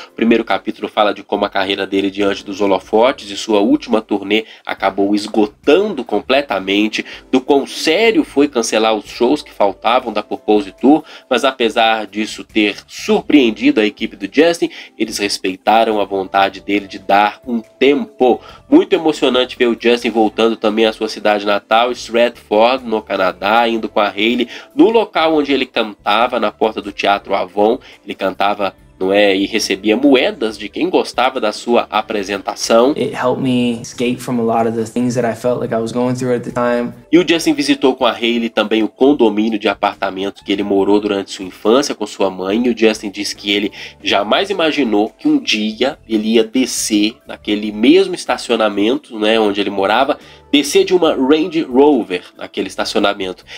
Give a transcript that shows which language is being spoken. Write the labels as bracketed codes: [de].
[pt] O primeiro capítulo fala de como a carreira dele diante dos holofotes e sua última turnê acabou esgotando completamente, do quão sério foi cancelar os shows que faltavam da Purpose Tour, mas apesar disso ter surpreendido a equipe do Justin, eles respeitaram a vontade dele de dar um tempo. Muito emocionante ver o Justin voltando também à sua cidade natal, Stratford, no Canadá, indo com a Hailey no local onde ele cantava, na porta do Teatro Avon. Ele cantava, não é, e recebia moedas de quem gostava da sua apresentação. [en] It helped me escape from a lot of the things that I felt like I was going through at the time. [pt] E o Justin visitou com a Hailey também o condomínio de apartamentos que ele morou durante sua infância com sua mãe. E o Justin disse que ele jamais imaginou que um dia ele ia descer naquele mesmo estacionamento, né, onde ele morava, descer de uma Range Rover naquele estacionamento.